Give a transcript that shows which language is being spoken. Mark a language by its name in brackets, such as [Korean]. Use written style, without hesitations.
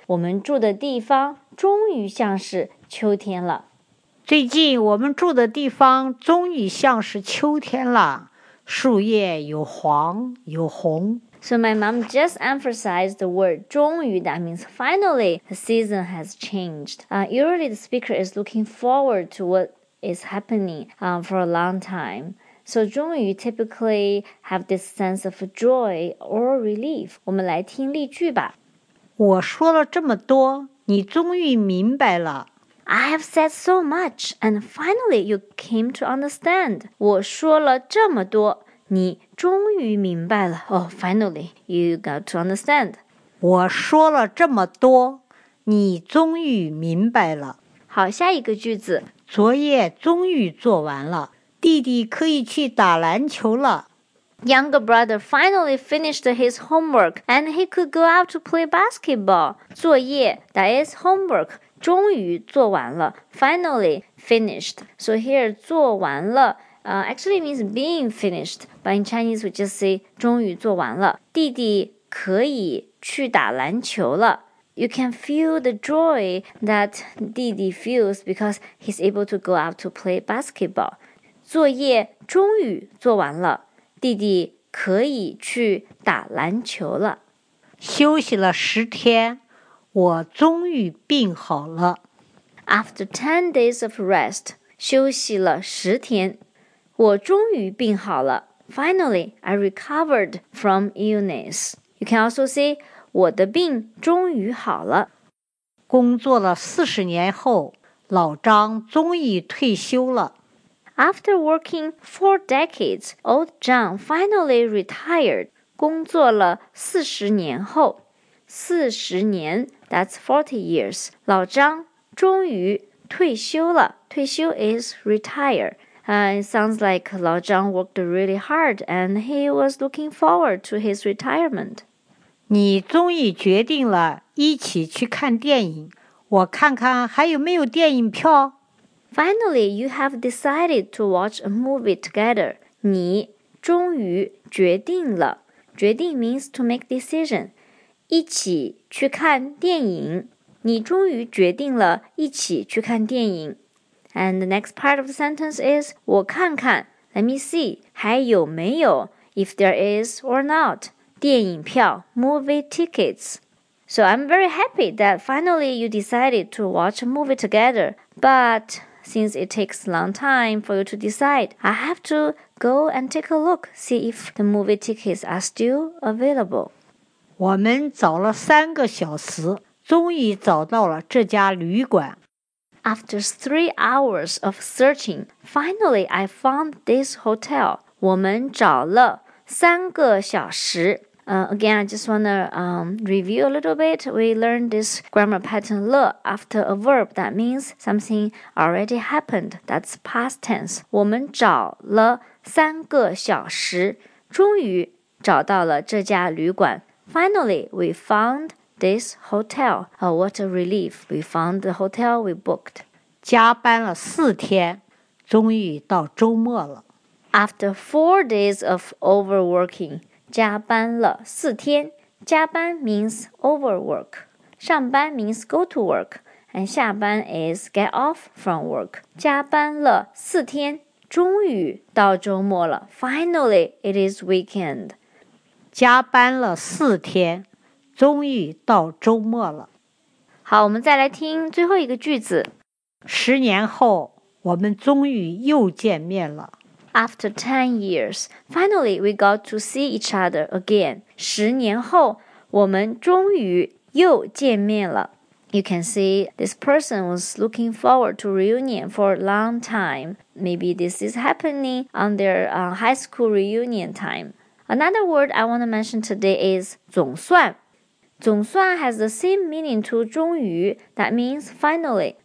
[Chinese] 我们住的地方终于像是秋天了。最近我们住的地方终于像是秋天了。树叶有黄有红。 [English] So my mom just emphasized the word 终于 that means finally, the season has changed. Usually the speaker is looking forward to what is happening, for a long time. So, 终于 typically have this sense of joy or relief. [Chinese] 我们来听例句吧。我说了这么多，你终于明白了。 I have said so much, and finally you came to understand. 我说了这么多，你终于明白了。 Oh, finally, you got to understand. 我说了这么多，你终于明白了。好，下一个句子。昨夜终于做完了。弟弟可以去打篮球了。 [English] Younger brother finally finished his homework and he could go out to play basketball. [Chinese] 作业 that is homework, 终于做完了。 [English] Finally finished. So here, 做完了actually means being finished. [Chinese] But in Chinese, we just say 终于做完了。弟弟可以去打篮球了。 [English] You can feel the joy that 弟弟 feels because he's able to go out to play basketball. [Chinese] 作业终于做完了，弟弟可以去打篮球了。休息了十天，我终于病好了。 After 10 days of rest, 休息了十天，我终于病好了。 [English] Finally, I recovered from illness. [Chinese] You can also say, 我的病终于好了。工作了40年后，老张终于退休了。 [English] After working 4 decades, old John finally retired. [Chinese] 工作了40年后。40年, that's 40 years. 老张终于退休了。退休 is retire. [English] It sounds like 老张 worked really hard and he was looking forward to his retirement. [Chinese] 你终于决定了一起去看电影。我看看还有没有电影票。 [English] Finally, you have decided to watch a movie together. 你终于决定了。决定 means to make decision. [Chinese] 一起去看电影。你终于决定了一起去看电影。 [English] And the next part of the sentence is, 我看看 let me see, 还有没有 if there is or not, 电影票 movie tickets. So I'm very happy that finally you decided to watch a movie together, but... Since it takes a long time for you to decide, I have to go and take a look, see if the movie tickets are still available. [Chinese] 我们找了3个小时，终于找到了这家旅馆。 [English] After 3 hours of searching, finally I found this hotel. [Chinese] 我们找了3个小时。 [English] Again, I just want to review a little bit. We learned this grammar pattern 了 after a verb that means something already happened. That's past tense. [Chinese] 我们找了三个小时，终于找到了这家旅馆。 [English] Finally, we found this hotel. What a relief. We found the hotel we booked. [Chinese] 加班了4天，终于到周末了。 [English] After 4 days of overworking, 加班了4天。加班 means overwork. 上班 means go to work. And 下班 is get off from work. 加班了4天，终于到周末了。 Finally, it is weekend. [Chinese] 加班了四天，终于到周末了。好，我们再来听最后一个句子。十年后，我们终于又见面了。 [English] After 10 years, finally we got to see each other again. [Chinese] 十年后，我们终于又见面了。 [English] You can see this person was looking forward to reunion for a long time. Maybe this is happening on their high school reunion time. Another word I want to mention today is 总算。总算 has the same meaning to 终于, that means finally.